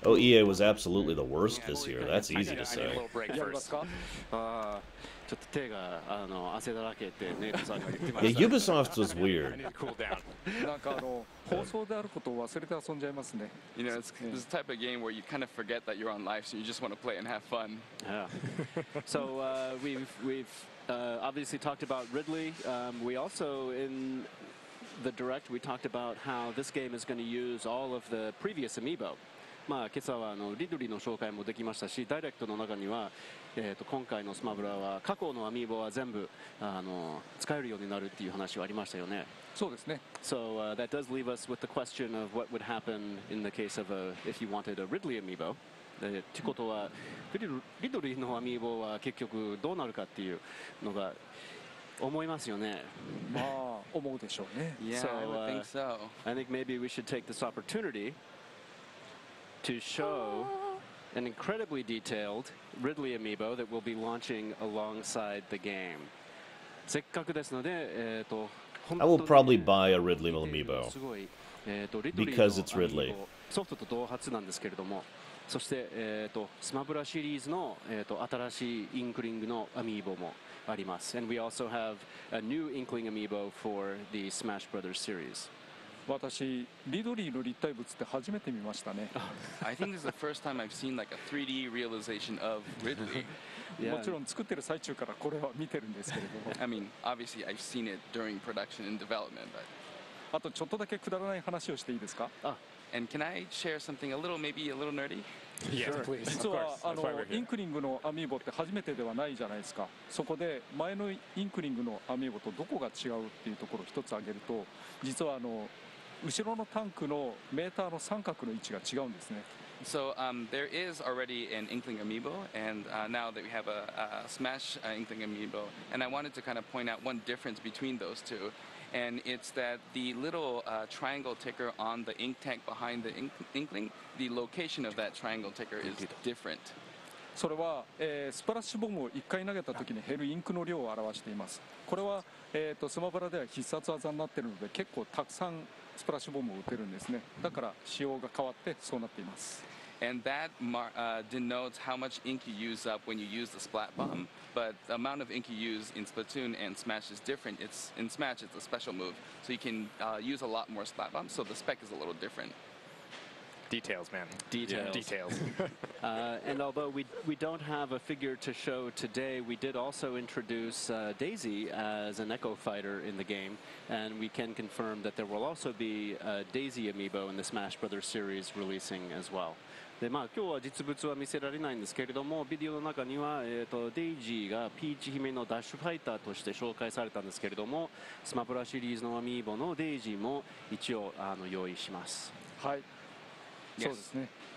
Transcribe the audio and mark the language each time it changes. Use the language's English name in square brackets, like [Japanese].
[English] Oh, EA was absolutely the worst this year. That's easy to say. I need a little break first. [Japanese] ちょっと手があの汗だらけってネイコさんが言ってました [English] 。 いや、Ubisoft was weird. I need to cool down. [Japanese] なんかあの放送であることを忘れて遊んじゃいますね。 [English] You know, it's this type of game where you kind of forget that you're on live, so you just want to play and have fun. Yeah. So we've obviously talked about Ridley. We also in the direct we talked about how this game is going to use all of the previous amiibo. [Japanese] まあ、今朝はあのリドリーの紹介もできましたし、ダイレクトの中には、今回のスマブラは過去のアミーボは全部あの使えるようになるっていう話はありましたよね。そうですね。 [English] So, that does leave us with the question of what would happen in the case of a, if you wanted a Ridley amiibo. [Japanese] ってことは、リドリーのアミーボは結局どうなるかっていうのが思いますよね。まあ、思うでしょうね。 [English] Yeah, so, I would think so. I think maybe we should take this opportunity. To show an incredibly detailed Ridley amiibo that will be launching alongside the game. [Japanese] せっかくですので、 [English] I will probably buy a Ridley amiibo because it's Ridley. [Japanese] ソフトと同発なんですけれども、そして、スマブラシリーズの、新しいインクリングのアミーボもあります。 [English] And we also have a new Inkling amiibo for the Smash Brothers series. [Japanese] 私リドリーの立体物って初めて見ましたね。 [English] I think this is the first time I've seen like a 3D realization of Ridley. [Japanese] もちろん作ってる最中からこれは見てるんですけれども。 [English] I mean, obviously I've seen it during production and development, but. [Japanese] あとちょっとだけくだらない話をしていいですか？あ、 [English] and can I share something a little, maybe a little nerdy? Yeah, sure, please. [Japanese] 実はあのインクリングのアミーボって初めてではないじゃないですか。そこで前のインクリングのアミーボとどこが違うっていうところを一つ挙げると、実はあの後ろのタンクのメーターの三角の位置が違うんですね。 [English] So, there is already an Inkling amiibo, and now that we have a Smash Inkling amiibo, and I wanted to kind of point out one difference between those two, and it's that the little triangle ticker on the ink tank behind the Inkling, the location of that triangle ticker is different. [Japanese] それは、スプラッシュボムを1回投げた時に減るインクの量を表しています。これは、スマブラでは必殺技になっているので結構たくさんスプラッシュボムを打てるんですね。だから仕様が変わってそうなっています。 [English] And that denotes how much ink you use up when you use the splat bomb. But the amount of ink you use in Splatoon and Smash is different. It's in Smash it's a special move, so you can use a lot more splat bombs. So the spec is a little different. Details, man. Details. Yeah, details. and although we don't have a figure to show today, we did also introduce Daisy as an Echo Fighter in the game. And we can confirm that there will also be a Daisy amiibo in the Smash Brothers series releasing as well. [Japanese] で、まあ、今日は実物は見せられないんですけれども、ビデオの中には、Daisy がピーチ姫のダッシュファイターとして紹介されたんですけれども、スマブラシリーズのアミーボの Daisy も一応あの用意します。はい。 [English] Yes. [Japanese] そうですね。